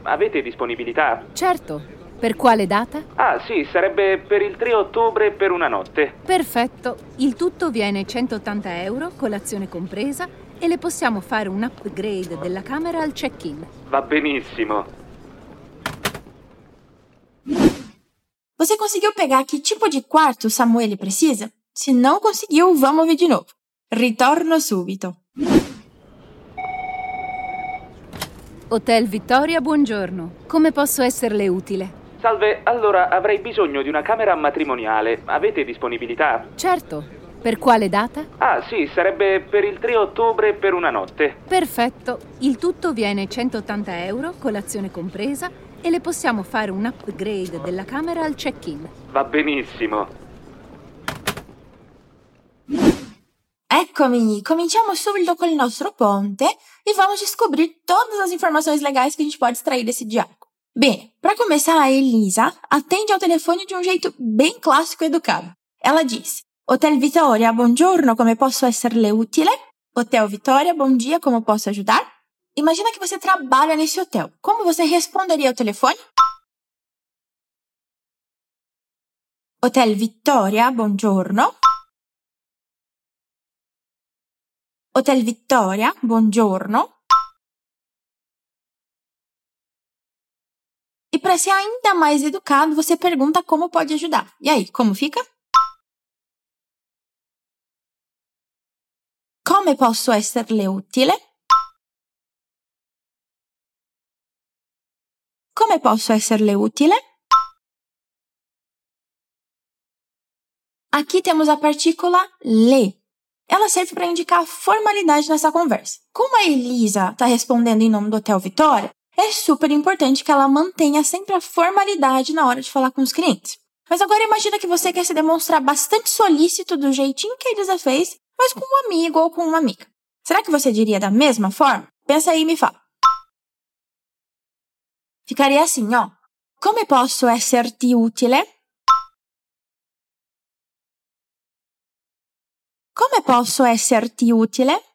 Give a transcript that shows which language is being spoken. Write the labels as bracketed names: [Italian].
[Italian] Avete disponibilità? Certo. Per quale data? Ah, sì, sarebbe per il 3 ottobre per una notte. Perfetto. Il tutto viene 180 euro, colazione compresa, e le possiamo fare un upgrade della camera al check-in. Va benissimo. [Portuguese] Você conseguiu pegar [Italian] che tipo di [Portuguese] quarto Samuele precisa? Se non conseguiu, vamos ver [Italian] di nuovo. Ritorno subito. Hotel Vittoria, buongiorno. Come posso esserle utile? Salve, allora avrei bisogno di una camera matrimoniale. Avete disponibilità? Certo. Per quale data? Ah, sì, sarebbe per il 3 ottobre per una notte. Perfetto. Il tutto viene 180 euro, colazione compresa, e le possiamo fare un upgrade della camera al check-in. Va benissimo. Eccomi, cominciamo subito con il nostro ponte [Portuguese] e vamos descobrir todas as informações legais que a gente pode extrair desse diálogo. Bem, para começar, a Elisa atende ao telefone de um jeito bem clássico e educado. Ela diz, [Italian] Hotel Vittoria, buongiorno, come posso esserle utile? [Portuguese] Hotel Vittoria, bom dia, como posso ajudar? Imagina que você trabalha nesse hotel. Como você responderia ao telefone? [Italian] Hotel Vittoria, buongiorno. Hotel Vittoria, buongiorno. [Portuguese] E para ser ainda mais educado, você pergunta como pode ajudar. E aí, como fica? [Italian] Come posso esserle utile? Come posso esserle utile? [Portuguese] Aqui temos a partícula le. Ela serve para indicar a formalidade nessa conversa. Como a Elisa está respondendo em nome do Hotel Vittoria, é super importante que ela mantenha sempre a formalidade na hora de falar com os clientes. Mas agora imagina que você quer se demonstrar bastante solícito do jeitinho que a Elisa fez, mas com um amigo ou com uma amiga. Será que você diria da mesma forma? Pensa aí e me fala. Ficaria assim, ó. [Italian] Come posso esserti utile? Come posso esserti utile?